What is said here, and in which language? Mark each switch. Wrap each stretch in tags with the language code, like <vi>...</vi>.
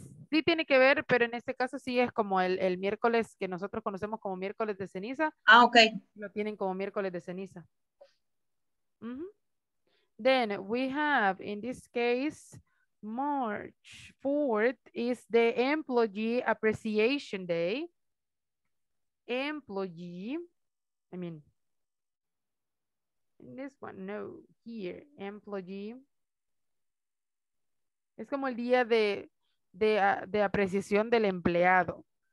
<es>Sí tiene que ver, pero en este caso sí es como el miércoles que nosotros conocemos como miércoles de ceniza. Ah, ok. Lo tienen como miércoles de ceniza. Mm-hmm.</es> <en>Then we have, in this case, March 4th is the Employee Appreciation Day. Employee, I mean, in this one, no, here, Employee.</en> <es>Es como el día de apreciación del empleado.</es>